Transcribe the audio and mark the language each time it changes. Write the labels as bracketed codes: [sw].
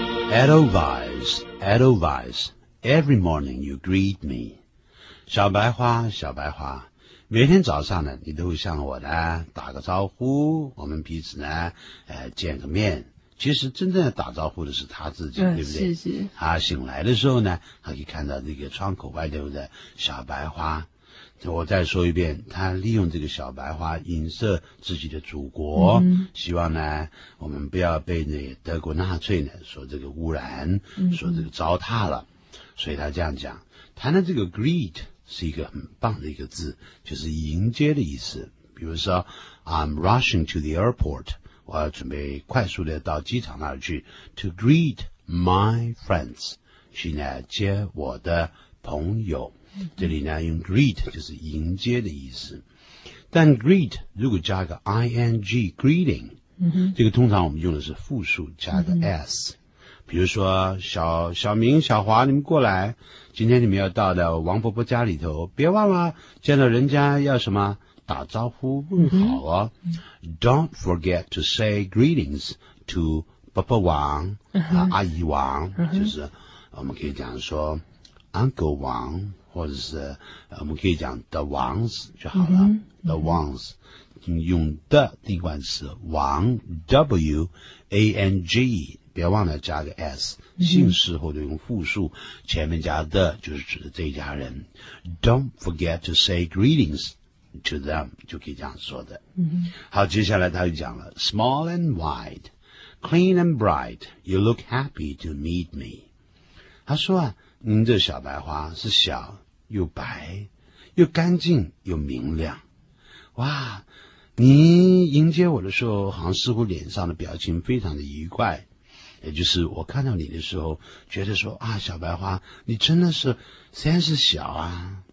[en] Edelweiss, Edelweiss, every morning you greet me. [zh] 小白花，小白花，每天早上呢，你都会向我呢打个招呼，我们彼此呢，见个面。其实真正的打招呼的是他自己，对不对？是是。他醒来的时候呢，他可以看到这个窗口外头的小白花。我再说一遍，他利用这个小白花影射自己的祖国，嗯、希望呢我们不要被那德国纳粹呢说这个污染，说这个糟蹋了。嗯、所以他这样讲，谈的这个 greet 是一个很棒的一个字，就是迎接的意思。比如说 [en] ，I'm rushing to the airport。 [zh] 我要准备快速的到机场那儿去 ， [en] to greet my friends， [zh] 去呢接我的朋友。这里呢用 greet 就是迎接的意思，但 greet 如果加个 ing greeting，、嗯、这个通常我们用的是复数加个 s，、嗯、比如说小明、小华，你们过来，今天你们要到的王伯伯家里头，别忘了见到人家要什么。打招呼问好哦、嗯、 [en] Don't forget to say greetings to 伯伯王、嗯 [zh] 阿姨王、嗯、就是我们可以讲说 Uncle 王，或者是我们可以讲 The 王子就好了、嗯、 The 王子用 The 第一冠词王 W-A-N-G， 别忘了加个 S、嗯、姓氏或者用复数前面加 The 就是指的这一家人。 [en] Don't forget to say greetingsTo them， [zh] 就可以这样说的。嗯、mm-hmm. ，好，接下来他就讲了 [en] ，small and wide， clean and bright， you look happy to meet me。 [zh] 他说啊，您这小白花是小又白，又干净又明亮。哇，你迎接我的时候，好像似乎脸上的表情非常的愉快，也就是我看到你的时候，觉得说啊，小白花，你真的是虽然是小啊。